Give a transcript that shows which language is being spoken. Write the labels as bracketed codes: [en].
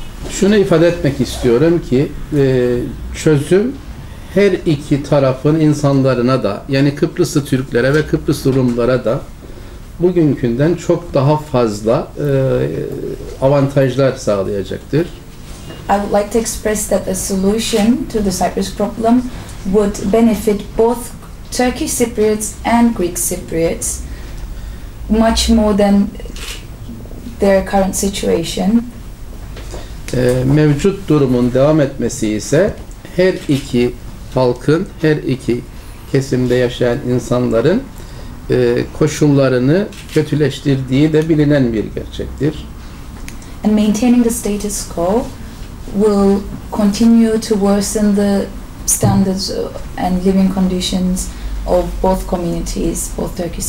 [tr] Şunu ifade etmek istiyorum ki çözüm her iki tarafın insanlarına da, yani Kıbrıslı Türklere ve Kıbrıslı Rumlara da bugünkünden çok daha fazla avantajlar sağlayacaktır. [en] I would like to express that the solution to the Cyprus problem would benefit both Turkish Cypriots and Greek Cypriots much more than their current situation. [tr] Mevcut durumun devam etmesi ise her iki halkın, her iki kesimde yaşayan insanların koşullarını kötüleştirdiği de bilinen bir gerçektir. [en] And maintaining the status quo will continue to worsen the standards and living conditions of both communities, both Turkish